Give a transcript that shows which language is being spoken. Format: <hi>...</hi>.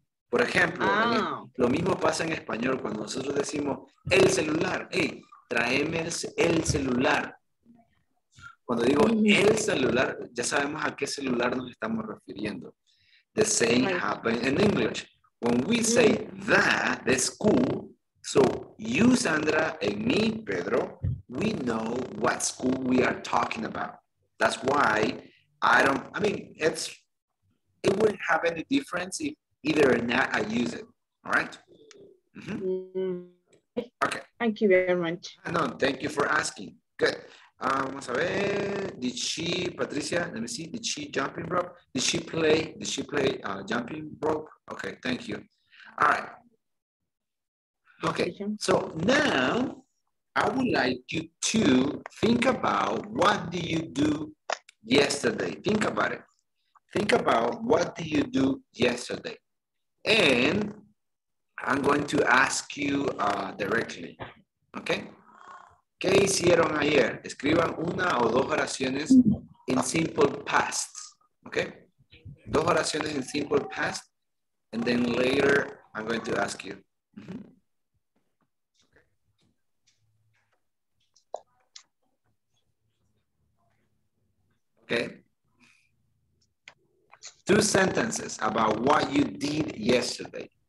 <es>Por ejemplo, lo mismo pasa en español cuando nosotros decimos el celular. Hey, traeme el celular. Cuando digo el celular, ya sabemos a qué celular nos estamos refiriendo.</es> <en>The same happened in English. When we say the school, so you, Sandra, and me, Pedro, we know what school we are talking about. That's why I don't, I mean, it's it would have any difference if either or not I use it. All right. Mm-hmm. Okay. Thank you very much. No, thank you for asking. Good.</en> <es>Vamos a ver.</es> <en>Did she, Patricia? Let me see. Did she jumping rope? Did she play? Did she play jumping rope? Okay. Thank you. All right. Okay. So now I would like you to think about what do you do yesterday. Think about it. Think about what do you do yesterday, and I'm going to ask you directly.</en> <es>Okay. ¿Qué hicieron ayer? Escriban una o dos oraciones en simple past. Okay? Dos oraciones en simple past.</es> <en>And then later, I'm going to ask you. Okay? Two sentences about what you did yesterday.</en>